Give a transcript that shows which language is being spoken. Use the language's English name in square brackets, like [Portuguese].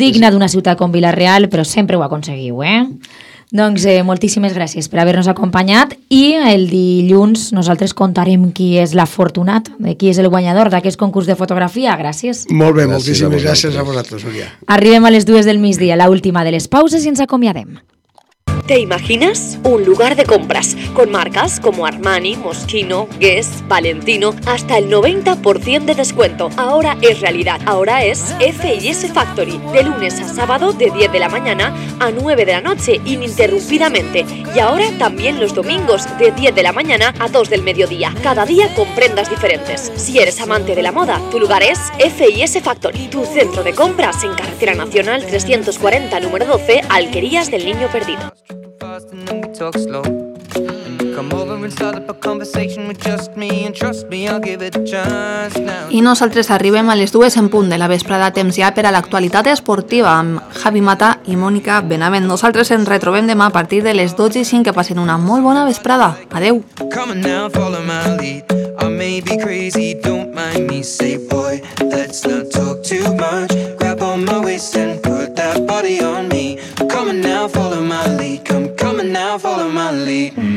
[Catalan] Digna d'una ciutat com Vila-real, però sempre ho aconseguiu, eh? Doncs moltíssimes gràcies per haver-nos acompanyat, i el dilluns nosaltres contarem qui és l'afortunat, qui és el guanyador d'aquest concurs de fotografia. Gràcies. Molt bé, moltíssimes gràcies a vosaltres, Maria. Arribem a les 2 del migdia, l'última de les pauses, i ens acomiadem. [Spanish] ¿Te imaginas un lugar de compras con marcas como Armani, Moschino, Guess, Valentino? Hasta el 90% de descuento. Ahora es realidad. Ahora es F&S Factory. De lunes a sábado de 10 de la mañana a 9 de la noche ininterrumpidamente. Y ahora también los domingos de 10 de la mañana a 2 del mediodía. Cada día con prendas diferentes. Si eres amante de la moda, tu lugar es F&S Factory. Tu centro de compras en Carretera Nacional 340, número 12, Alquerías del Niño Perdido. [English] Fast and then we talk slow. Come over and start up a conversation with just me, and trust me, I'll give it a chance now. [Catalan] I nosaltres arribem a les 2 en punt de la vesprada, temps ja per a l'actualitat esportiva amb Javi Mata i Mònica Benavent. Nosaltres ens retrobem demà a partir de les 12:05. Que passen una molt bona vesprada. Adeu. [English] Come on now, follow my lead. I may be crazy, don't mind me. Say boy, let's not talk too much. Grab on my waist and put that body on me. Come on now, follow my lead. Coming now, follow my lead.